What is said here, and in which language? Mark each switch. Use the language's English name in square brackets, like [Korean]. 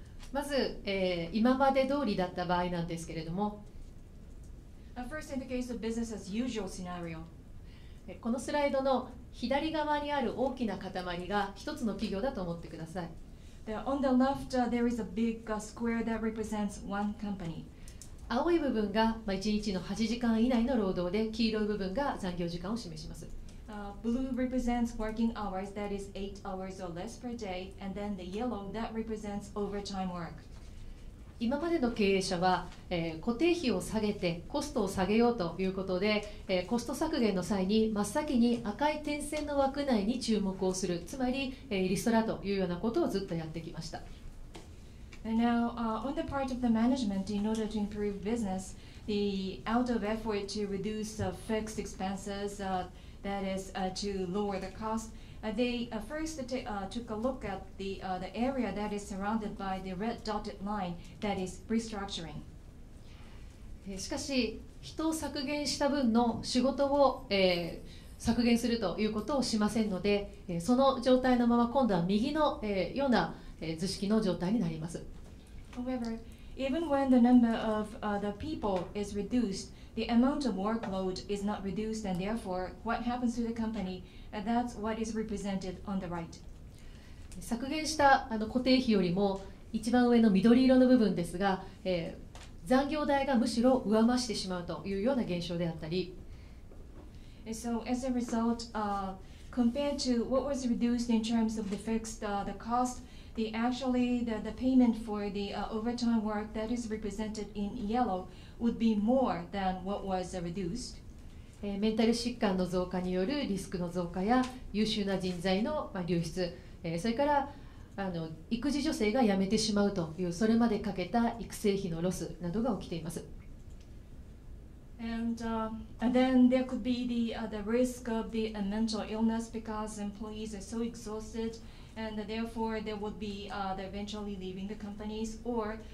[Japanese] まず、今まで通りだった場合なんですけれども、 [English] First, in the case of business as usual scenario. [Japanese] このスライドの左側にある大きな塊が一つの企業だと思ってください。 [English] On the left, there is a big square that represents one company. [Japanese] 青い部分が、1日の8時間以内の労働で、黄色い部分が残業時間を示します。 [English] Blue represents working hours, that is 8 hours or less per day, and then the yellow, that represents overtime work. [Japanese] 今までの経営者は、固定費を下げてコストを下げようということで、コスト削減の際に真っ先に赤い点線の枠内に注目をする、つまり、リストラというようなことをずっとやってきました。 [English] And now, on the part of the management, in order to improve business, the out of effort to reduce fixed expenses, that is to lower the cost. They first took a look at the area that is surrounded by the red dotted line, that is restructuring. [Japanese] しかし、人を削減した分の仕事を、削減するということをしませんので、その状態のまま今度は右の、ような、図式の状態になります。 [English] However, even when the number of the people is reduced,The amount of workload is not reduced, and therefore, what happens to the company? That's what is represented on the right. [Japanese] 削減した固定費よりも一番上の緑色の部分ですが、残業代がむしろ上増してしまうというような現象であったり。 [English] So as a result, compared to what was reduced in terms of the fixed the cost, the payment for the overtime work that is represented in yellow. Would be more than what was reduced. [Japanese] メンタル疾患の増加によるリスクの増加や優秀な人材の流出、それから育児女性が辞めてしまうというそれまでかけた育成費のロスなどが起きています。 [English] And, and then there could be the risk of the mental illness because employees are so exhausted and therefore they would be eventually leaving the companies or.